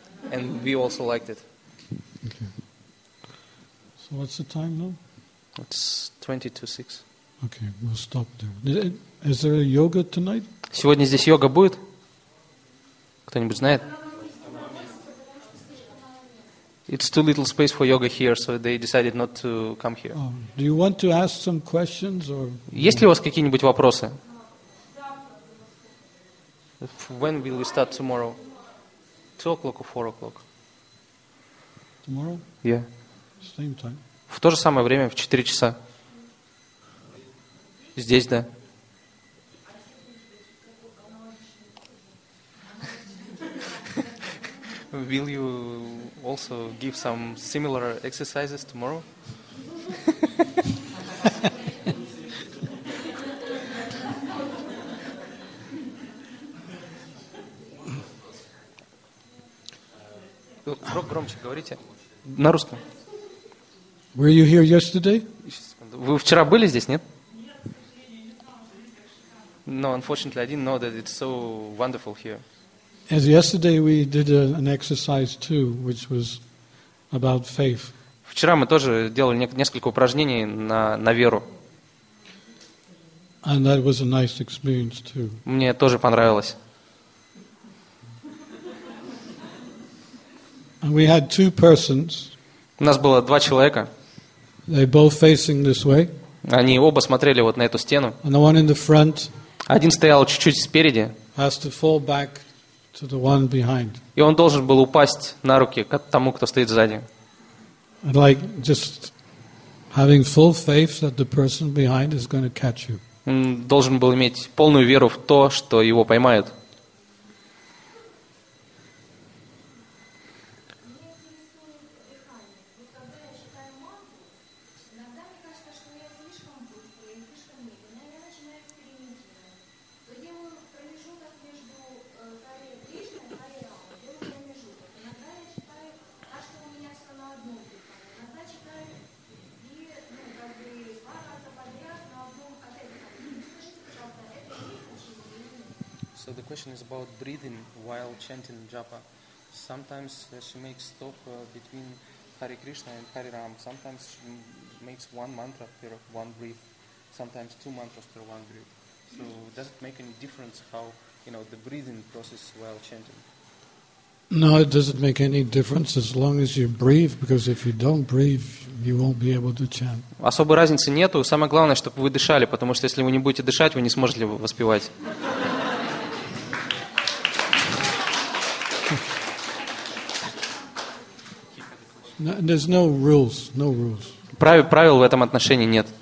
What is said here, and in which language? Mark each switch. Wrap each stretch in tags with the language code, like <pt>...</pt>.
<en>And we also liked it. Okay. So what's the time now? It's 6:20. Okay, we'll stop there. Is there a yoga tonight?</en> <ru>Сегодня здесь йога будет? Кто-нибудь знает?</ru> <en>It's too little space for yoga here, so they decided not to come here. Do you want to ask some questions or?</en> <ru>Есть ли у вас какие-нибудь вопросы?</ru> <en>When will we start tomorrow? 2 o'clock or 4 o'clock? Tomorrow? Yeah. Same time.</en> <ru>В то же самое время, в 4 часа. Здесь, да.</ru> <en>Will you also give some similar exercises tomorrow?</en> <ru>Громче говорите. На русском.</ru> <en>Were you here yesterday?</en> <ru>Вы вчера были здесь, нет?</ru> <en>No, unfortunately, I didn't know that it's so wonderful here. As yesterday we did an exercise too, which was about faith.</en> <ru>Вчера мы тоже делали несколько упражнений на веру.</ru> <en>And that was a nice experience too.</en> <ru>Мне тоже понравилось.</ru> <en>And we had two persons.</en> <ru>У нас было два человека.</ru> <en>They both facing this way.</en> <ru>Они оба смотрели вот на эту стену.</ru> <en>And the one in the front.</en> <ru>Один стоял чуть-чуть спереди.</ru> <en>Has to fall back to the one behind.</en> <ru>И он должен был упасть на руки к тому, кто стоит сзади.</ru> <en>And like just having full faith that the person behind is going to catch you.</en> <ru>Он должен был иметь полную веру в то, что его поймают.</ru> <en>About breathing while chanting japa. Sometimes she makes stop between Hare Krishna and Hare Ram. Sometimes she makes one mantra per one breath. Sometimes two mantras per one breath. So does it make any difference how, you know, the breathing process while chanting? No, it doesn't make any difference as long as you breathe, because if you don't breathe, you won't be able to chant.</en> <ru>Особой разницы нету. Самое главное, чтобы вы дышали, потому что если вы не будете дышать, вы не сможете воспевать.</ru> <en>There's no rules, no rules.</en> <ru>Правил в этом отношении нет.</ru>